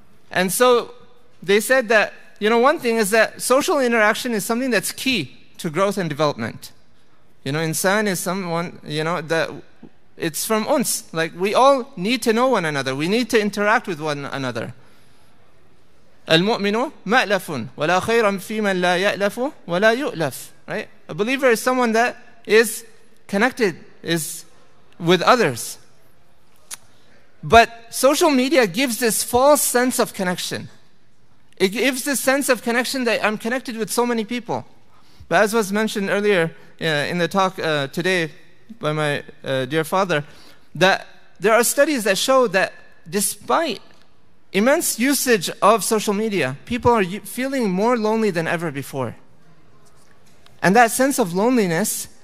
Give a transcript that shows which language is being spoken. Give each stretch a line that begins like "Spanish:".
English: And so they said that, you know, one thing is that social interaction is something that's key to growth and development. You know, insan is someone, you know, that it's from uns. Like, we all need to know one another. We need to interact with one another.
Arabic: المؤمن مألف ولا خير في من لا يألف ولا يؤلف.
English: Right? A believer is someone that is connected, is with others. But social media gives this false sense of connection. It gives this sense of connection that I'm connected with so many people. But as was mentioned earlier in the talk today by my dear father, that there are studies that show that despite immense usage of social media, people are feeling more lonely than ever before. And that sense of loneliness